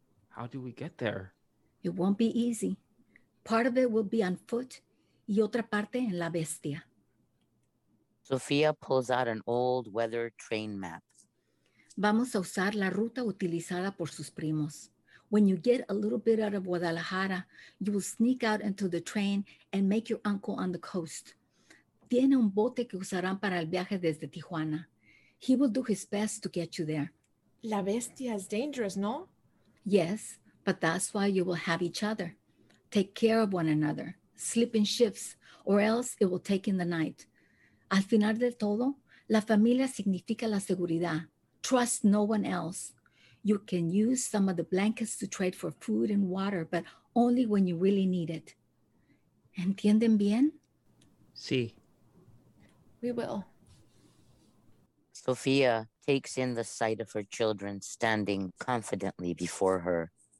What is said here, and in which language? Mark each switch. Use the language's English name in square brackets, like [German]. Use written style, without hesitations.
[English] How do we get there? It won't be easy. Part of it will be on foot [Spanish] y otra parte en la bestia. [English] Sofía pulls out an old weather train map. [Spanish] Vamos a usar la ruta utilizada por sus primos. [English] When you get a little bit out of Guadalajara, you will sneak out into the train and make your uncle on the coast. [Spanish] Tiene un bote que usarán para el viaje desde Tijuana. [English] He will do his best to get you there. La bestia is dangerous, no? Yes, but that's why you will have each other. Take care of one another. Sleep in shifts, or else it will take in the night. [Spanish] Al final de todo, la familia significa la seguridad. [English] Trust no one else. You can use some of the blankets to trade for food and water, but only when you really need it. [Spanish] ¿Entienden bien? Sí. [English] We will. Sofía takes in the sight of her children standing confidently before her.